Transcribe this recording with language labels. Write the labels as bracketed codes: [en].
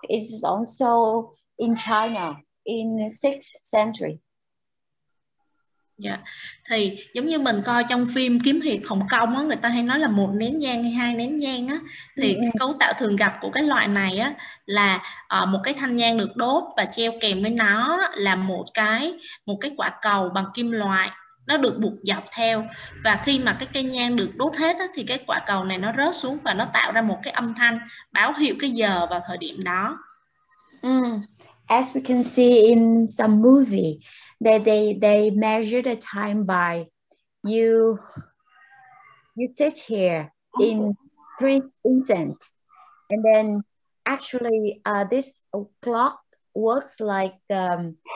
[en] It is also in China in the 6th century. Dạ. Yeah. [vi] Thì giống như mình coi trong phim Kiếm Hiệp Hồng Kông á, người ta hay nói là một nén nhang hay hai nén nhang á, thì cái cấu tạo thường gặp của cái loại này á là một cái thanh nhang được đốt và treo kèm với nó là một cái quả cầu bằng kim loại, nó được buộc dọc theo, và khi mà cái cây nhang được đốt hết á thì cái quả cầu này nó rớt xuống và nó tạo ra một cái âm thanh báo hiệu cái giờ vào thời điểm đó. [en] As we can see in some movie that they measure the time by you sit here in 3 instant, and then actually this clock works like an